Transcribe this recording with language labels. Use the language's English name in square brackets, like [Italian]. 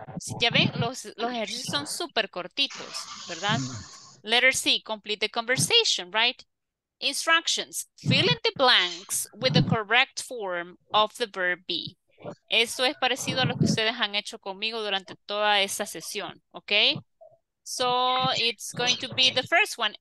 [Spanish] Si ya ven, los ejercicios son súper cortitos, ¿verdad? [English] Letter C, complete the conversation, right? Instructions, fill in the blanks with the correct form of the verb be. [Spanish] Esto es parecido a lo que ustedes han hecho conmigo durante toda esta sesión, ¿ok? [English] So, it's going to be the first one.